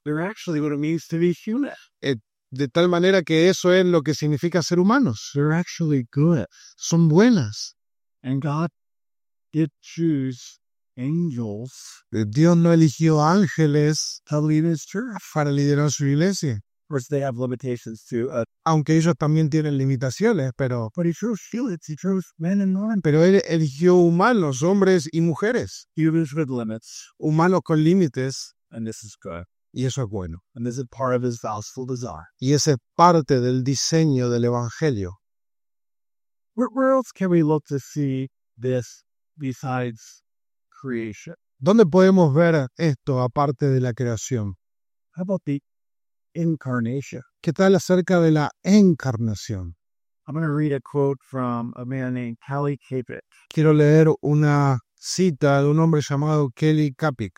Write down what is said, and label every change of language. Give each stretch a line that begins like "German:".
English: They're actually what it means to be human.
Spanish: De tal manera que eso es lo que significa ser humanos.
English: They're actually good.
Spanish: Son buenas.
English: And God did choose angels.
Spanish: Dios no eligió ángeles
English: to lead his church.
Spanish: Para liderar su iglesia.
English: Of course, they have limitations too.
Spanish: Aunque ellos también tienen limitaciones, pero.
English: But he chose humans. He chose men and women.
Spanish: Pero él eligió humanos, hombres y mujeres.
English: Humans with limits.
Spanish: Humanos con límites.
English: And this is good.
Spanish: Y eso es bueno.
English: And this is part of his gospel desire.
Spanish: Y ese es parte del diseño del evangelio.
English: Where else can we look to see this besides creation?
Spanish: ¿Dónde podemos ver esto aparte de la creación?
English: How about the incarnation?
Spanish: ¿Qué tal acerca de la encarnación?
English: I'm going to read a quote from a man named Kelly Capit.
Spanish: Quiero leer una cita de un hombre llamado Kelly Capit.